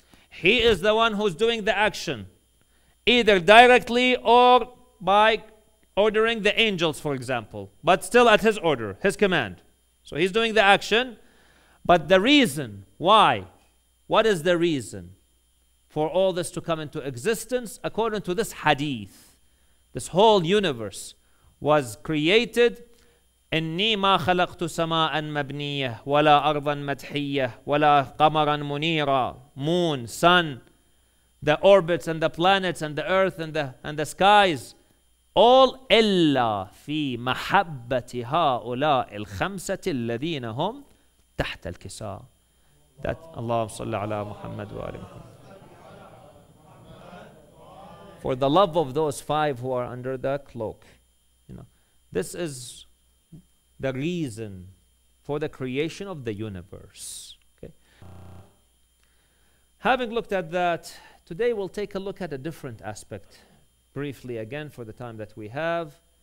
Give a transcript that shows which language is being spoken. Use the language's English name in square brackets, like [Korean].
[English] He is the one who's doing the action, either directly or by ordering the angels, for example, but still at his order, his command. So he's doing the action. But the reason why, what is the reason for all this to come into existence? According to this hadith, this whole universe was created. [Arabic] إني ما خلقت سماء مبنية ولا أرضا مدحية ولا قمرا منيرا. [English] Moon, sun, the orbits and the planets and the earth and the skies, all [Arabic] إلا في محبة هؤلاء الخمسة الذين هم تحت الكساء. [English] That [Arabic] Allah صلى على محمد وآل محمد. [English] For the love of those five who are under the cloak, you know, this is the reason for the creation of the universe. Okay. Having looked at that, today we'll take a look at a different aspect, briefly again for the time that we have.